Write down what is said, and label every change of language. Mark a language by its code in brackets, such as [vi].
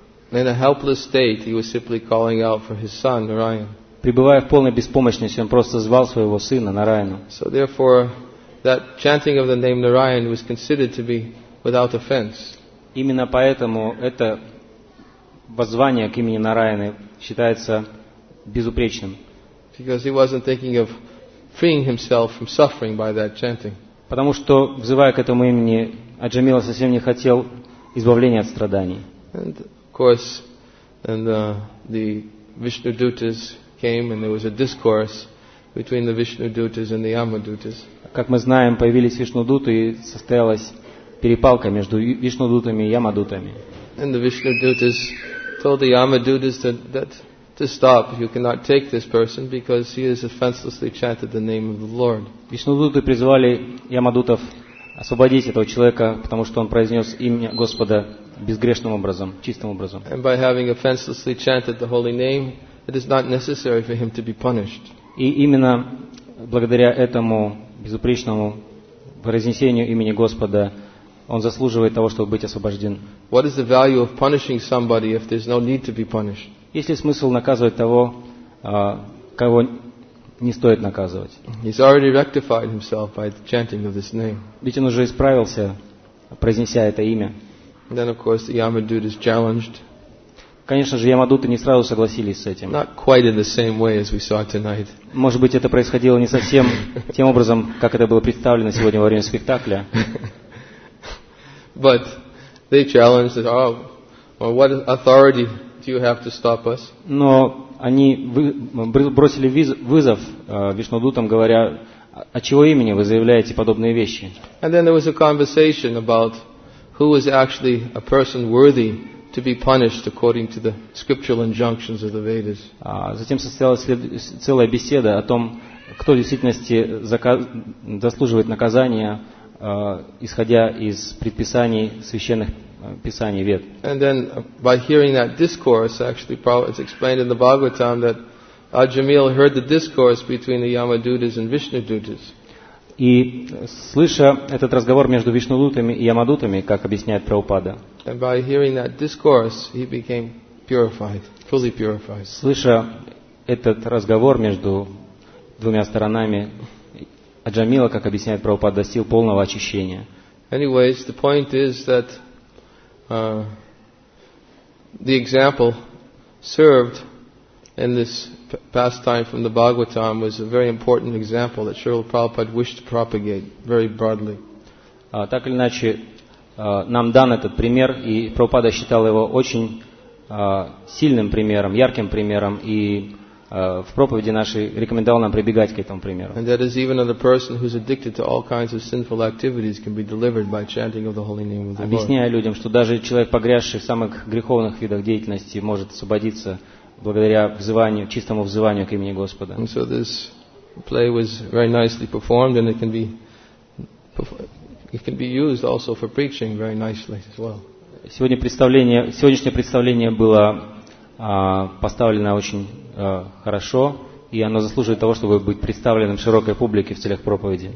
[en] In a helpless state, he was simply calling out for his son Narayan. [ru] Пребывая в полной беспомощности, он просто звал своего сына Нараяну. [en] So therefore, that chanting of the name Narayan was considered to be without offense. [ru] Именно поэтому это воззвание к имени Нараяны считается безупречным. [en] Because he wasn't thinking of freeing himself from suffering by that chanting. [ru] Потому что, взывая к этому имени, Аджамила совсем не хотел избавления от страданий. [en] And of course, and the Vishnu Dutas came, and there was a discourse between the Vishnu Dutas and the Yama Dutas. [ru] Как мы знаем, появились Вишну Дуты, и состоялась перепалка между Вишну Дутами и Яма Дутами. [en] And the Vishnu Dutas told the Yama Dutas to stop. You cannot take this person because he has offenselessly chanted the name of the Lord. [ru] Вишну Дуты призвали Яма Дутов освободить этого человека, потому что он произнес имя Господа безгрешным образом, чистым образом. [en] And by having offenselessly chanted the holy name, it is not necessary for him to be punished. [ru] И именно благодаря этому безупречному произнесению имени Господа он заслуживает того, чтобы быть освобожден. [en] What is the value of punishing somebody if there's no need to be punished? [ru] Есть ли смысл наказывать того, кого не стоит наказывать? [en] He's already rectified himself by the chanting of this name. [ru] Ведь он уже исправился, произнеся это имя. [en] Then of course the Yamadut is challenged. [ru] Конечно же, Ямадуты не сразу согласились с этим. [en] Not quite in the same way as we saw tonight. [ru] Может быть, это происходило не совсем тем образом, как это было представлено сегодня во время спектакля. [en] But they challenged us. Oh, well, what authority do you have to stop us? [ru] Но они бросили вызов Вишнудутам, говоря, от чего имени вы заявляете подобные вещи? [en] And then there was a conversation about who was actually a person worthy to be punished according to the scriptural injunctions of the Vedas. [ru] Затем состоялась целая беседа о том, кто в действительности заслуживает наказания, исходя из предписаний священных писаний Вед. [en] And then by hearing that discourse, actually it's explained in the Bhagavatam that Ajamila heard the discourse between the Yamadutas and Vishnudutas. [ru] И слыша этот разговор между Вишнудутами и Ямадутами, как объясняет Прабхупада, [en] and by hearing that discourse, he became purified, fully purified. [ru] Слыша этот разговор между двумя сторонами, Аджамила, как объясняет Прабхупада, достиг полного очищения. [en] Anyways, the point is that the example served in this pastime from the Bhagavatam was a very important example that Srila Prabhupada wished to propagate very broadly. [ru] Так или иначе, нам дан этот пример, и Прабхупада считал его очень сильным примером, ярким примером, и в проповеди нашей рекомендовал нам прибегать к этому примеру. [en] And that is even that a person who is addicted to all kinds of sinful activities can be delivered by chanting of the holy name of the Lord. [ru] Объясняя людям, что даже человек, погрязший в самых греховных видах деятельности, может освободиться благодаря взыванию, чистому взыванию к имени Господа. [en] And so this play was very nicely performed, and it can be used also for preaching very nicely as well. [ru] Сегодняшнее представление было поставлено очень хорошо, и оно заслуживает того, чтобы быть представленным широкой публике в целях проповеди.